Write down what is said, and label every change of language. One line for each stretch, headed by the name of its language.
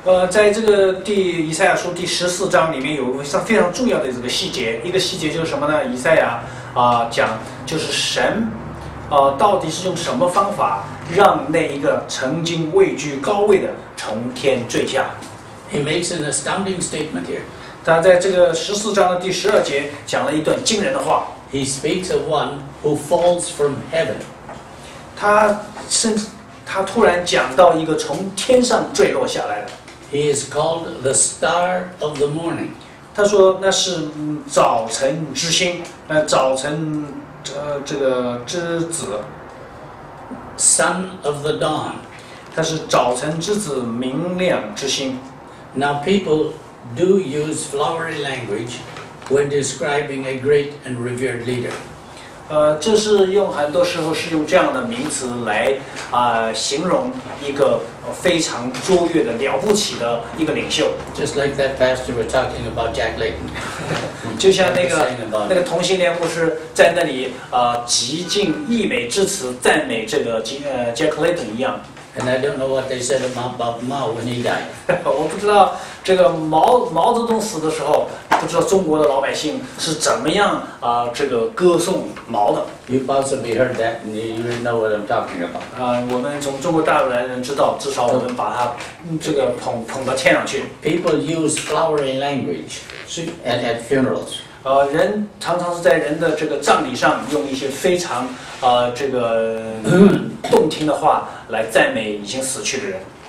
Chinese: 在这个以赛亚书第十四章里面有一个非常重要的这个细节，一个细节就是什么呢？以赛亚讲就是神到底是用什么方法让那一个曾经位居高位的从天坠下。
English: He makes an astounding statement here.
Chinese: 他在这个十四章的第十二节讲了一段惊人的话。
English: He speaks of one who falls from heaven.
Chinese: 他突然讲到一个从天上坠落下来的。
English: He is called the star of the morning.
Chinese: 他说那是早晨之星，早晨这个之子。
English: Son of the dawn.
Chinese: 他是早晨之子，明亮之星。
English: Now people do use flowery language when describing a great and revered leader.
Chinese: 这是用很多时候是用这样的名词来形容一个非常卓越的了不起的一个领袖。
English: Just like that pastor was talking about Jack Layton.
Chinese: 就像那个同性恋牧师在那里极尽溢美之词赞美这个Jack Layton 一样。
English: And I don't know what they said about Mao when he died.
Chinese: 我不知道这个毛泽东死的时候，不知道中国的老百姓是怎么样这个歌颂毛的。
English: You possibly heard that, and you know what I'm talking about.
Chinese: 我们从中国大陆来的人知道，至少我们把他这个捧到天上去。
English: People use flowery language at funerals.
Chinese: 人常常是在人的这个葬礼上用一些非常这个动听的话来赞美已经死去的人。